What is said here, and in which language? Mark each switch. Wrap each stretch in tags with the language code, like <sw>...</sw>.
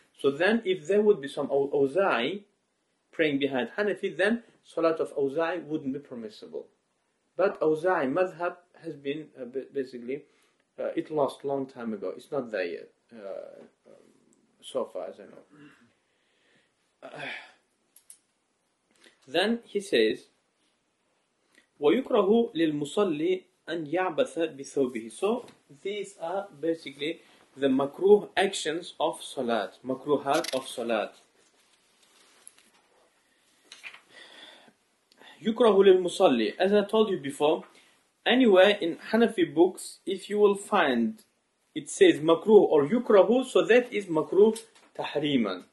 <en>So then if there would be some awza'i praying behind Hanafi, then Salat of Awza'i wouldn't be permissible. But Awza'i madhab has been it lost long time ago. It's not there yet, so far as I know. Then he says,</en> <ar>وَيُكْرَهُ لِلْمُصَلِّ أَنْ يَعْبَثَ بِثَوْبِهِ.</ar> <en>So these are basically the makruh actions of Salat, makruhat of Salat.</en> <ar>يكره للمصلي.</ar> <en>As I told you before, anyway, in Hanafi books, if you will find it says makruh or يكره, so that is makruh tahriman.</en>